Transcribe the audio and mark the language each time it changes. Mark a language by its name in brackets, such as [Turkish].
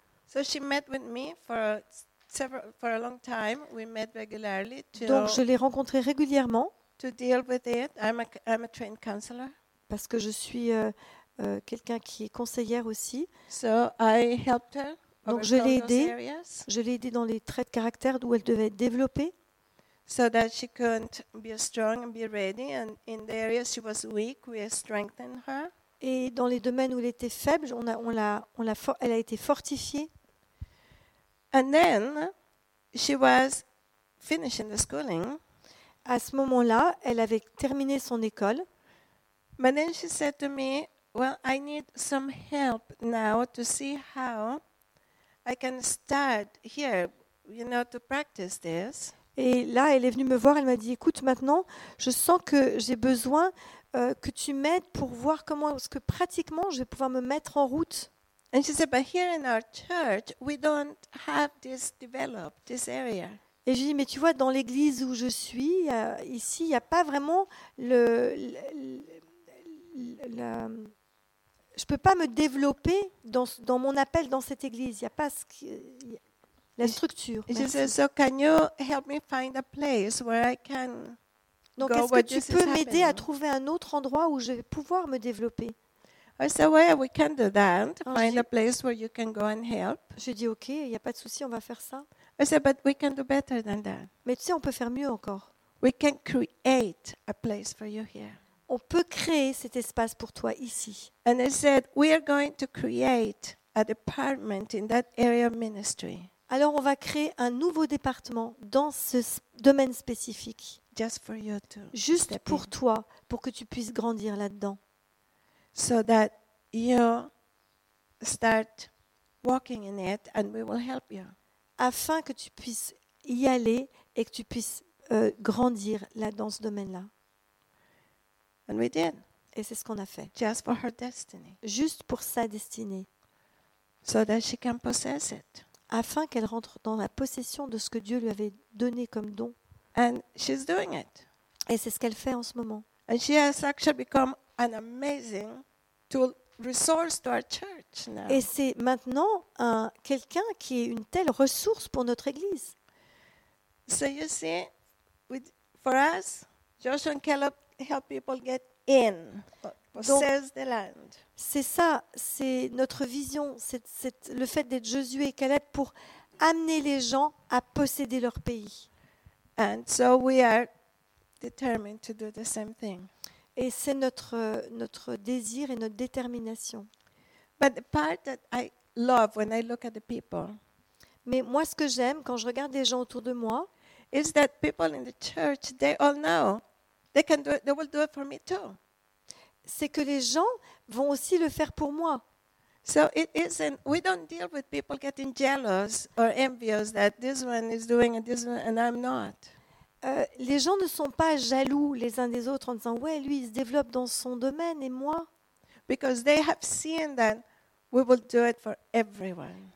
[English] So she met with me for a long time. We met regularly. [French] Donc je l'ai rencontrée régulièrement. [English] To deal with it, I'm a trained counselor. [French] Parce que je suis quelqu'un qui est conseillère aussi. [English] So I helped her. [French] Donc je l'ai aidée. Je l'ai aidée dans les traits de caractère où elle devait être développée. [English] So that she could be strong and be ready, and in the areas she was weak, we strengthened her. [French] Et dans les domaines où elle était faible, elle a été fortifiée. [English] And then she was finishing the schooling. [French] À ce moment-là, elle avait terminé son école. [English] But then she said to me, "Well, I need some help now to see how I can start here, you know, to practice this." [French] Et là, elle est venue me voir, elle m'a dit, écoute, maintenant, je sens que j'ai besoin que tu m'aides pour voir comment est-ce que pratiquement je vais pouvoir me mettre en route. [English] And she said, but here in our church, we don't have this developed, this area. [French] Et je lui ai dit, mais tu vois, dans l'église où je suis, ici, il n'y a pas vraiment je ne peux pas me développer dans mon appel dans cette église. Il n'y a pas ce qui... La structure. [English] She said, so can you help me find a place where I can [French] Donc, [English] go [French] est-ce que tu peux m'aider à trouver un autre endroit où je vais pouvoir me développer? [English] I said, well, we can do that. Find a place where you can go and help. [French] J'ai dit, ok, il n'y a pas de souci, on va faire ça. [English] I said, but we can do better than that. [French] Mais tu sais, on peut faire mieux encore. [English] We can create a place for you here. [French] On peut créer cet espace pour toi ici. [English] And I said, we are going to create a department in that area of ministry. [French] Alors, on va créer un nouveau département dans ce domaine spécifique. [English] Just for you to [French] juste pour toi, pour que tu puisses grandir là-dedans. [English] So that you start walking in it and we will help you. [French] Afin que tu puisses y aller et que tu puisses grandir là dans ce domaine-là. [English] And we did. [French] Et c'est ce qu'on a fait. [English] Just for her destiny. [French] Juste pour sa destinée. [English] So that she can possess it. [French] Afin qu'elle rentre dans la possession de ce que Dieu lui avait donné comme don. [English] And she's doing it. [French] Et c'est ce qu'elle fait en ce moment. [English] And she has actually become an amazing tool resource to our church now. [French] Et c'est maintenant quelqu'un qui est une telle ressource pour notre église. [English] So you see, for us, Joshua and Caleb help people get in. [French] Donc, c'est ça, c'est notre vision, c'est le fait d'être Josué et Caleb pour amener les gens à posséder leur pays. [English] And so we are determined to do the same thing. [French] Et c'est notre désir et notre détermination. [English] But the part that I love when I look at the people. [French] Mais moi, ce que j'aime quand je regarde les gens autour de moi, [English] is that people in the church, they all know, they can do it, they will do it for me too. [French] C'est que les gens vont aussi le faire pour moi. [English] So it isn't. We don't deal with people getting jealous or envious that this one is doing and this one and I'm not. [French] Les gens ne sont pas jaloux les uns des autres en disant ouais lui il se développe dans son domaine et moi. [English] Because they have seen that we will do it for everyone.